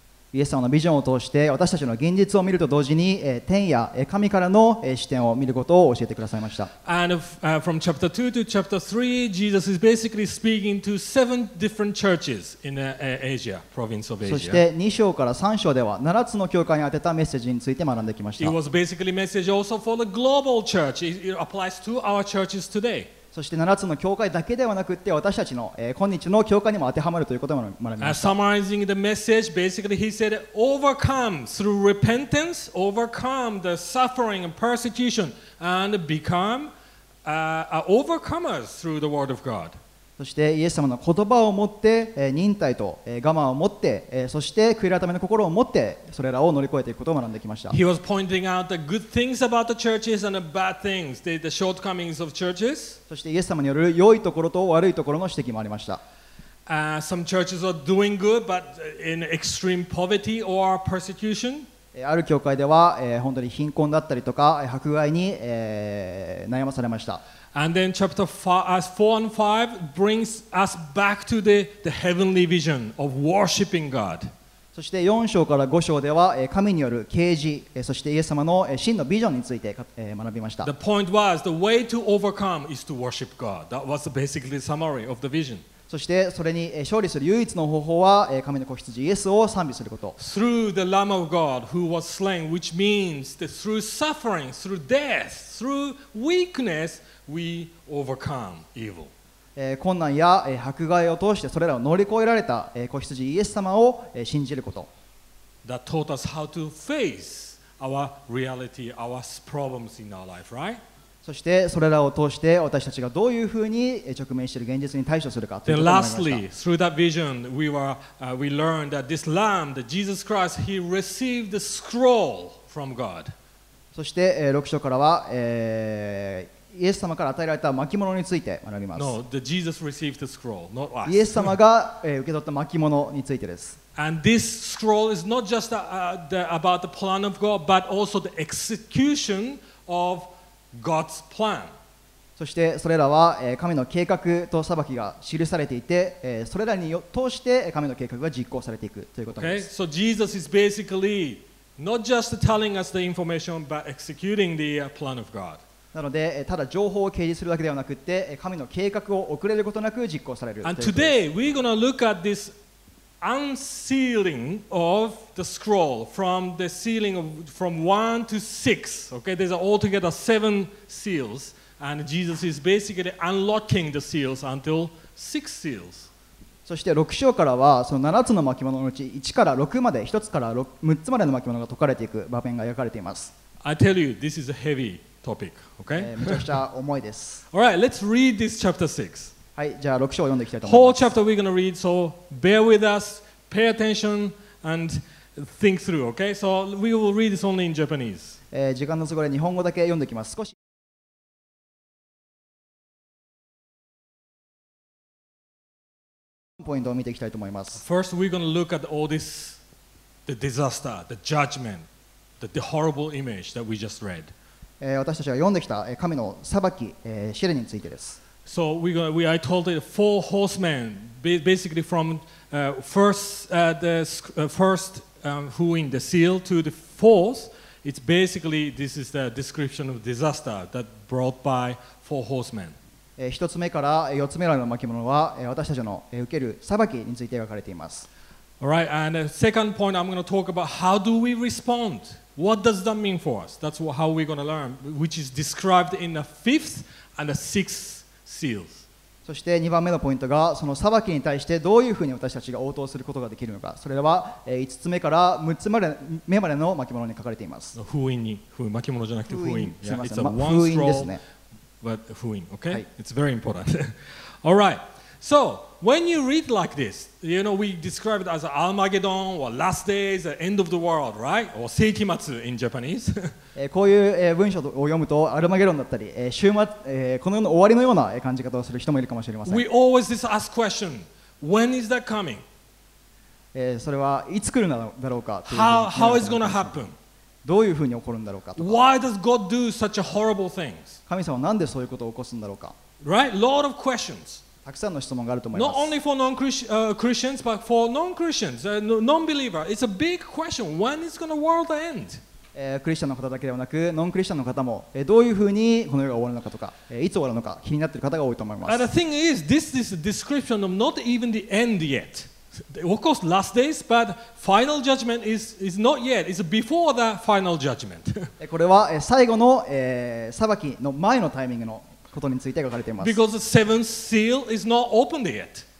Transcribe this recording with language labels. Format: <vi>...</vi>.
<ja>イエス様のビジョンを通して私たちの現実を見ると同時に天や神からの視点を見ることを教えてくださいました。</ja> <en>And from chapter 2 to chapter 3, Jesus is basically speaking to 7 different churches in Asia, province of Asia.</en> <ja>そして2章から3章では7つの教会に宛てたメッセージについて学んできました。</ja> <en>It was basically a message also for the global church. It applies to our churches today.</en> <ja>そして7つの教会だけではなくて私たちの今日の教会にも当てはまるということも学びました。</ja> <en>Summarizing the message, basically he said, overcome through repentance, overcome the suffering and persecution, and become overcomers through the word of God.</en> <ja>そしてイエス様の言葉を持って忍耐と我慢を持ってそして悔い改めの心を持ってそれらを乗り越えていくことを学んできました。</ja> <en>He was pointing out the good things about the churches and the bad things, the shortcomings of churches.</en> <ja>そしてイエス様による良いところと悪いところの指摘もありました。</ja> <en>Some churches are doing good, but in extreme poverty or persecution.</en> <ja>ある教会では、本当に貧困だったりとか迫害に、悩まされました。</ja> <en>And then chapter 4 and 5 brings us back to the heavenly vision of worshiping God.</en> <ja>そして4章から5章では神による啓示そしてイエス様の真のビジョンについて学びました。</ja> <en>The point was the way to overcome is to worship God. That was basically the summary of the vision.</en> <ja>そしてそれに勝利する唯一の方法は神の子羊イエスを賛美すること。</ja> <en>Through the Lamb of God who was slain, which means that through suffering, through death, through weakness, we overcome evil.</en> <ja>困難や迫害を通してそれらを乗り越えられた子羊イエス様を信じること。</ja> <en>That taught us how to face our reality, our problems in our life, right?</en> <ja>そしてそれらを通して私たちがどういうふうに直面している現実に対処するかということになりました。</ja> <en>Then lastly, through that vision, we learned that this Lamb, that Jesus Christ, he received the scroll from God.</en> <ja>そして6章からは、イエス様から与えられた巻物について学びます。</ja> <en>No, the Jesus received the scroll, not us.</en> <ja>イエス様が受け取った巻物についてです。</ja> <en>And this scroll is not just about the plan of God, but also the execution of God's plan.</en> <ja>そしてそれらは神の計画と裁きが記されていて、それらに通して神の計画が実行されていくということです。</ja> <en>Okay, so Jesus is basically not just telling us the information, but executing the plan of God.</en> <ja>なので、ただ情報を掲示するだけではなくて、神の計画を遅れることなく実行される。</ja> <en>And today we're gonna look at this unsealing of the scroll from the sealing of from 1 to 6. Okay, there's altogether 7 seals, and Jesus is basically unlocking the seals until 6 seals.</en> <ja>そして6章からはその7つの巻物のうち1から6まで、1つから6つまでの巻物が解かれていく場面が描かれています。</ja> <en>I tell you, this is a heavy. Topic, okay?</en> <ja>めちゃくちゃ重いです。</ja> <en>All right, let's read this chapter 6.</en> <ja>はい、じゃあ6章を読んでいきたいと思います。</ja> <en>Whole chapter we're gonna read, so bear with us, pay attention, and think through, okay? So we will read this only in Japanese.</en> <ja>時間の都合で日本語だけ読んでいきます。少し。ポイントを見ていきたいと思います。</ja> <en>First, we're gonna look at all these the disaster, the judgment, the horrible image that we just read.</en> <ja>私たちが読んできた神の裁き、試練についてです。</ja> <en>So I told it four horsemen, basically from who in the seal to the fourth. It's basically this is the description of disaster that brought by four horsemen.</en> <ja>一つ目から四つ目の巻物は私たちの受ける裁きについて書かれています。</ja> <en>All right, and the second point I'm going to talk about how do we respond? What does that mean for us? That's how we're going to learn, which is described in the fifth and the sixth seals.</en> <ja>そして2番目のポイントが、その裁きに対してどういうふうに私たちが応答することができるのか。それは5つ目から6つ目までの巻物に書かれています。封印に、封印、巻物じゃなくて封印。すみません、封印ですね。</ja> <en>But 封印、okay? It's very important. All right. So, when you read like this, you know, we describe it as Armageddon, or last days, the end of the world, right? Or 世紀末 in Japanese.</en> <ja>こういう文章を読むと、アルマゲドンだったり、終末、この世の終わりのような感じ方をする人もいるかもしれません。</ja> <en>We always just ask question, when is that coming?</en> <ja>それはいつ来るんだろうか。</ja> <en>How is it going to happen?</en> <ja>どういうふうに起こるんだろうかとか。</ja> <en>Why does God do such horrible things?</en> <ja>神様はなんでそういうことを起こすんだろうか。</ja> <en>Right? Lot of questions.</en> <ja>たくさんの質問があると思います。</ja> <en>Not only for non-Christians, but for non-Christians, non-believer, it's a big question. When is going to world end?</en> <ja>クリスチャンの方だけではなく、ノンクリスチャンの方も、どういうふうにこの世が終わるのかとか、いつ終わるのか気になっている方が多いと思います。</ja> <en>And the thing is, this is a description of not even the end yet. Of course, last days, but final judgment is not yet. It's before the final judgment.</en> <ja>これは最後の裁きの前のタイミングの。ことについて書かれています。</ja> <en>Because the seventh seal is not opened yet.</en>